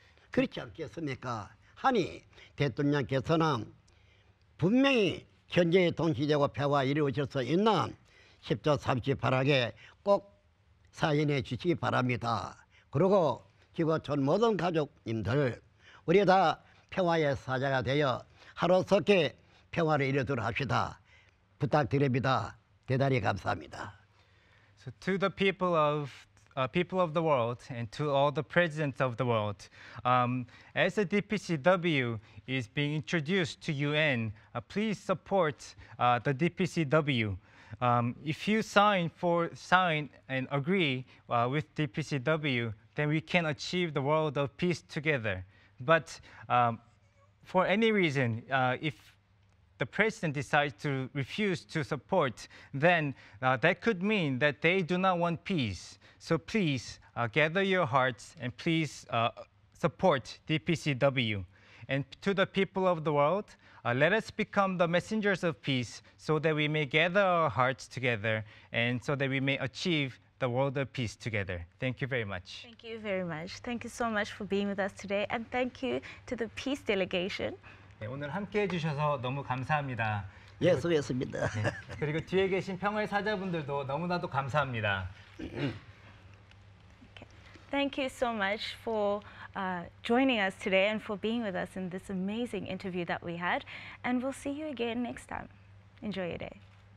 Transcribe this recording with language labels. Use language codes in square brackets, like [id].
[ko] 그렇지 않겠습니까? 하니 대통령께서는 분명히 전쟁이 동시되고 평화 이루어질 수 있는 10조 38항에 꼭 사인해 주시기 바랍니다. 그리고 지구촌 모든 가족님들 우리 다 평화의 사자가 되어 하루속히 평화를 이루도록 합시다. 부탁드립니다. 대단히 감사합니다. [en] So to the people of the world and to all the presidents of the world, as the DPCW is being introduced to UN, please support the DPCW. If you sign and agree with DPCW, then we can achieve the world of peace together. But for any reason, if the president decides to refuse to support, then that could mean that they do not want peace. So please gather your hearts and please support DPCW. And to the people of the world, let us become the messengers of peace so that we may gather our hearts together and so that we may achieve the world of peace together. Thank you very much. Thank you very much. Thank you so much for being with us today. And thank you to the peace delegation. [ko] 네, 오늘 함께해 주셔서 너무 감사합니다. 예, 수고했습니다. 네, 그리고 뒤에 계신 평화의 사자분들도 너무나도 감사합니다. [en] Thank you so much for joining us today and for being with us in this amazing interview that we had. And we'll see you again next time. Enjoy your day.